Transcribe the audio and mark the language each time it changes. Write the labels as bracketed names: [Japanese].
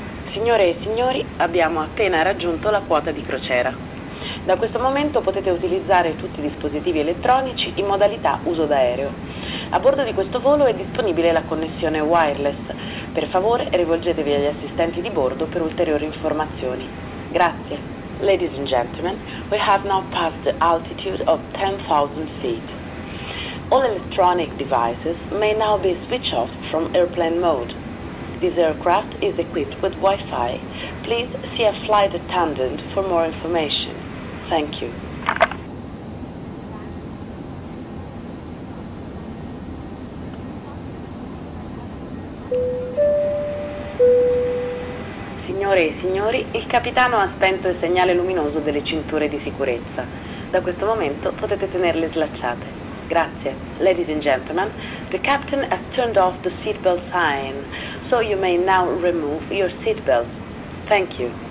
[Italian] Signore e signori, abbiamo appena raggiunto la quota di crociera. Da questo momento potete utilizzare tutti i dispositivi elettronici in modalità uso d'aereo. A bordo di questo volo è disponibile la connessione wireless. Per favore, rivolgetevi agli assistenti di bordo per ulteriori informazioni. Grazie. [English] Ladies and gentlemen, we have now passed the altitude of 10,000 feet. All electronic devices may now be switched off from airplane mode. This aircraft is equipped with Wi-Fi. Please see a flight attendant for more information. Thank you. [Italian] Signore e signori, il capitano ha spento il segnale luminoso delle cinture di sicurezza. Da questo momento potete tenerle slacciate. Grazie. [English] Ladies and gentlemen, the captain has turned off the seatbelt sign, so you may now remove your seatbelt. Thank you.